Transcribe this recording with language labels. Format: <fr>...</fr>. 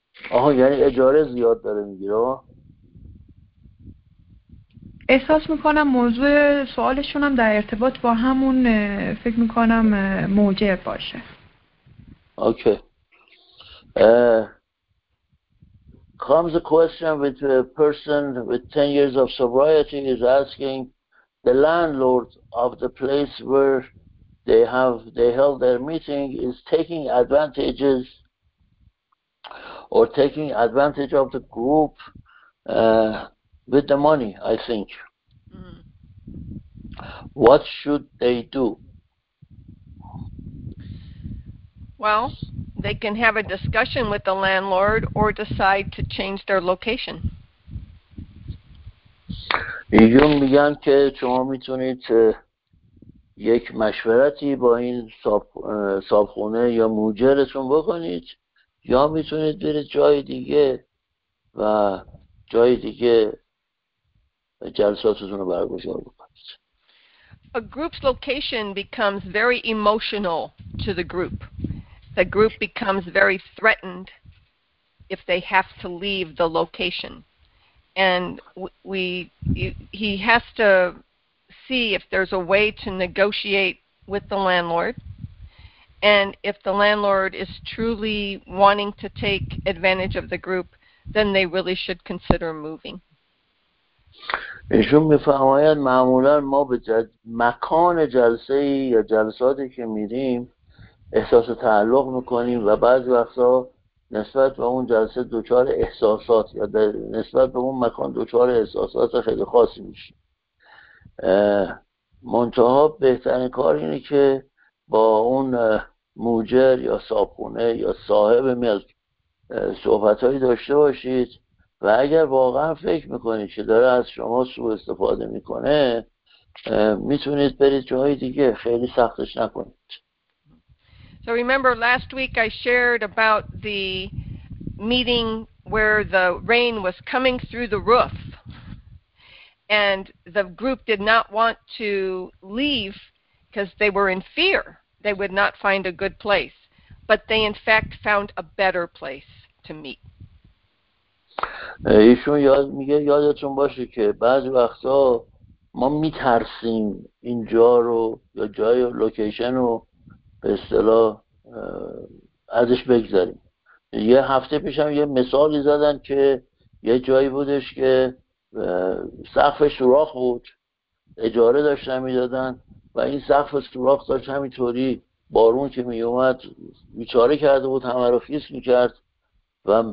<fa>آها، یعنی اجاره زیاد داره میگیره. احساس میکنم موضوع سوالشون هم در ارتباط با همون فکر میکنم موجه باشه. اوکی.</fa> <en>Comes a question with a person with 10 years of sobriety is asking the landlord of the place where they held their meeting is taking advantages or taking advantage of the group with the money, I think. What should they do? Well, they can have a discussion with the landlord or decide to change their location.</en> <fa>ایشون میگن که شما میتونید یک مشورتی با این صاحبخونه یا موجرتون بکنید یا میتونید برید جای دیگه و جای دیگه جلساتتون رو برگزار بکنید.</fa> <en>A group's location becomes very emotional to the group. The group becomes very threatened if they have to leave the location. And he has to see if there's a way to negotiate with the landlord, and if the landlord is truly wanting to take advantage of the group, then they really should consider moving.</en> <fa>ایشون میفرماید معمولا ما به مکان جلسه یا جلساتی که میریم احساس تعلق میکنیم و بعضی وقتا نسبت به اون جلسه دوچار احساسات یا نسبت به اون مکان دوچار احساسات خیلی خاصی میشه. منتها بهترین کار اینه که با اون موجر یا صاحبخونه یا صاحب ملک صحبتهایی داشته باشید و اگر واقعا فکر میکنید که داره از شما سوء استفاده میکنه میتونید برید جای دیگه، خیلی سختش نکنید.</fa> <en>So remember last week I shared about the meeting where the rain was coming through the roof and the group did not want to leave because they were in fear they would not find a good place, but they in fact found a better place to meet.</en> <fa>ایشون یاد میگه یادتون باشه که بعضی وقتا ما میترسیم اینجا رو یا جای لوکیشن رو به اصطلاح ازش بگذاریم. یه هفته پیشم یه مثالی زدن که یه جایی بودش که سقف سوراخ بود، اجاره داشتن میدادن و این سقف سوراخ داشت همینطوری بارون که میومد بیچاره کرده بود، همه رو خیس میکرد و</fa>